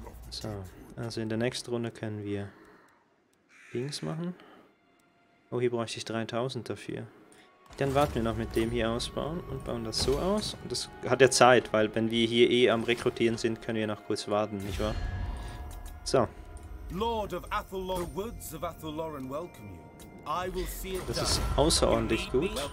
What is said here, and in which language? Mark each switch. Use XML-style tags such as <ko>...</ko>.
<de>So, also in der nächsten Runde können wir Dings machen. Oh, hier bräuchte ich 3000 dafür. Dann warten wir noch mit dem hier ausbauen und bauen das so aus. Und das hat ja Zeit, weil wenn wir hier eh am Rekrutieren sind, können wir noch kurz warten, nicht wahr? So.</de> <en>Lord of Athelor, the woods of Athaloran welcome you. I will see it done.</en> <de>Das ist außerordentlich gut.</de>